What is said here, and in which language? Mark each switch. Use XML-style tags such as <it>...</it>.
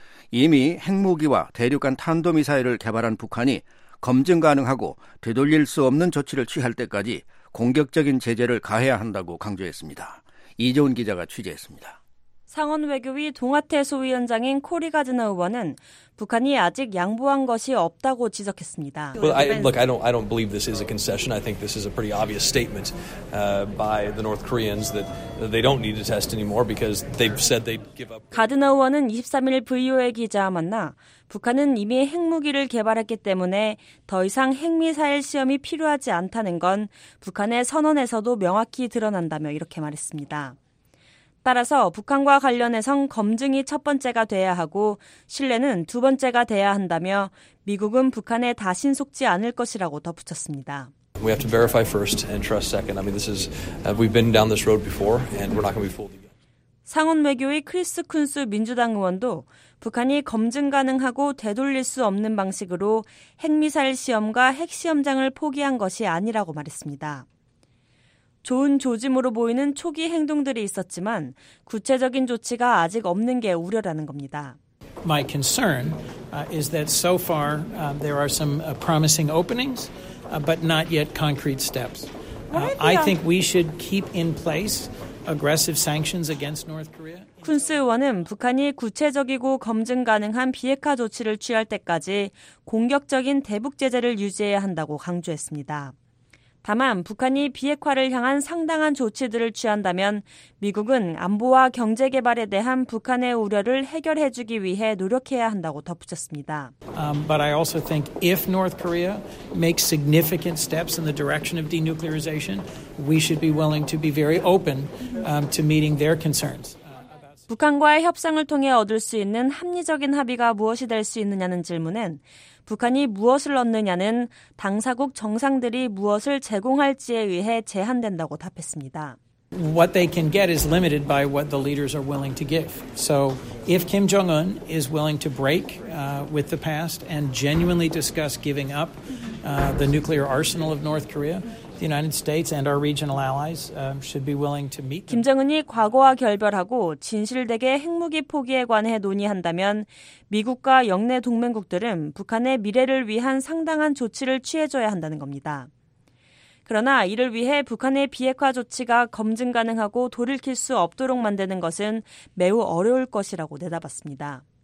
<ko>이미 핵무기와 대륙간 탄도미사일을 개발한 북한이 검증 가능하고 되돌릴 수 없는 조치를 취할 때까지 공격적인 제재를 가해야 한다고 강조했습니다. 이재훈 기자가 취재했습니다. 상원 외교위 동아태 소위원장인 코리 가즈너 의원은 북한이 아직 양보한 것이 없다고 지적했습니다.</ko> <en>I don't believe this is a concession. I think this is a pretty obvious statement by the North Koreans that they don't need to test anymore because they've said they'd give up.</en> <ko>가즈너 의원은 23일 VOA 기자와 만나 북한은 이미 핵무기를 개발했기 때문에 더 이상 핵미사일 시험이 필요하지 않다는 건 북한의 선언에서도 명확히 드러난다며 이렇게 말했습니다. 따라서 북한과 관련해선 검증이 첫 번째가 돼야 하고 신뢰는 두 번째가 돼야 한다며 미국은 북한에 다신 속지 않을 것이라고 덧붙였습니다.</ko> <en>We have to verify first and trust second. I mean, this is we've been down this road before and we're not going to be fooled again.</en> <ko>상원 외교의 크리스 쿤스 민주당 의원도 북한이 검증 가능하고 되돌릴 수 없는 방식으로 핵미사일 시험과 핵시험장을 포기한 것이 아니라고 말했습니다. 좋은 조짐으로 보이는 초기 행동들이 있었지만 구체적인 조치가 아직 없는 게 우려라는 겁니다.</ko> <en>My concern is that so far there are some promising openings but not yet concrete steps. I think we should keep in place aggressive sanctions against North Korea.</en> <ko>쿤스 의원은 북한이 구체적이고 검증 가능한 비핵화 조치를 취할 때까지 공격적인 대북 제재를 유지해야 한다고 강조했습니다. 다만 북한이 비핵화를 향한 상당한 조치들을 취한다면 미국은 안보와 경제 개발에 대한 북한의 우려를 해결해 주기 위해 노력해야 한다고 덧붙였습니다.</ko> <en>But I also think if North Korea makes significant steps in the direction of denuclearization, we should be willing to be very open to meeting their concerns.</en> <ko>북한과의 협상을 통해 얻을 수 있는 합리적인 합의가 무엇이 될 수 있느냐는 질문엔 북한이 무엇을 얻느냐는 당사국 정상들이 무엇을 제공할지에 의해 제한된다고 답했습니다.</ko> <en>What they can get is limited by what the leaders are willing to give. So if Kim Jong-un is willing to break with the past and genuinely discuss giving up the nuclear arsenal of North Korea, the United States and our regional allies should be willing to meet.</en> <ko>김정은이 과거와 결별하고 진실되게 핵무기 포기에 관해 논의한다면 미국과 역내 동맹국들은 북한의 미래를 위한 상당한 조치를 취해줘야 한다는 겁니다. 그러나 이를 위해 북한의 비핵화 조치가 검증 가능하고 돌이킬 수 없도록 만드는 것은 매우 어려울 것이라고 내다봤습니다.</ko>